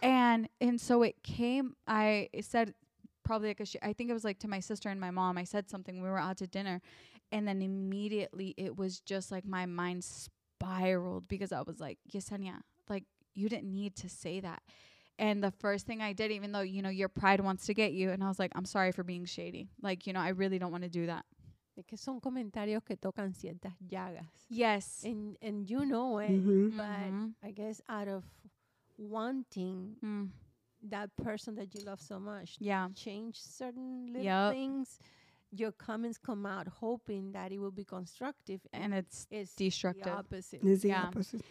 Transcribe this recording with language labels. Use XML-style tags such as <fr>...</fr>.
<en>And so it came, I said, probably like I think it was like to my sister and my mom, I said something, we were out to dinner. And then immediately it was just like my mind spiraled because I was like, Yesenia, like, you didn't need to say that. And the first thing I did, even though, you know, your pride wants to get you, and I was like, I'm sorry for being shady. Like, you know, I really don't want to do that.</en> <es>Que son comentarios que tocan ciertas llagas.</es> <en>Yes. And you know it, mm-hmm. but mm-hmm. I guess out of wanting that person that you love so much yeah. to change certain little yep. things, your comments come out hoping that it will be constructive. And it's destructive. It's the opposite.</en>